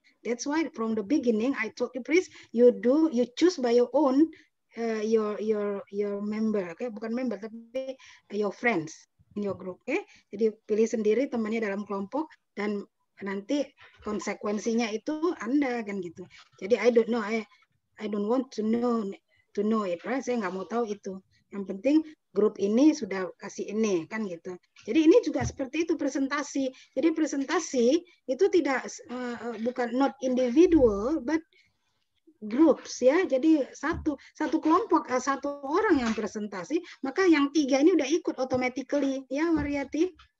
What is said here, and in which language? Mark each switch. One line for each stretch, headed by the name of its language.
English: That's why from the beginning I told you, please, you choose by your own your member, okay? Bukan member tapi your friends in your group, okay?
Indonesian: Jadi pilih sendiri temannya dalam kelompok dan nanti konsekuensinya itu Anda kan gitu.
English: Jadi I don't want to know it, right?
Indonesian: Saya nggak mau tahu itu. Yang penting grup ini sudah kasih ini kan gitu. Jadi ini juga seperti itu presentasi. Jadi presentasi itu tidak bukan not individual but groups ya. Jadi satu kelompok, satu orang yang presentasi, maka yang tiga ini udah ikut automatically ya, Variety.